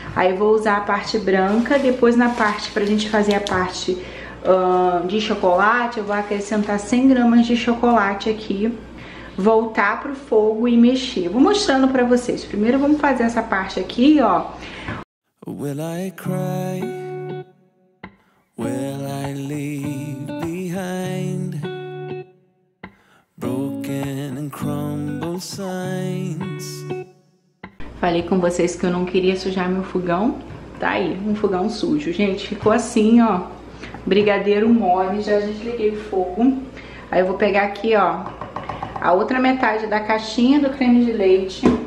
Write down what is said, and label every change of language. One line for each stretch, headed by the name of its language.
Portuguese: Aí vou usar a parte branca, depois na parte, pra gente fazer a parte de chocolate, eu vou acrescentar 100 gramas de chocolate aqui, voltar pro fogo e mexer. Vou mostrando pra vocês. Primeiro vamos fazer essa parte aqui, ó.
English: Will I cry? Will I leave behind broken and crumbled signs?
Portuguese: Falei com vocês que eu não queria sujar meu fogão. Tá aí, um fogão sujo. Gente, ficou assim, ó. Brigadeiro mole, já desliguei o fogo. Aí eu vou pegar aqui, ó, a outra metade da caixinha do creme de leite.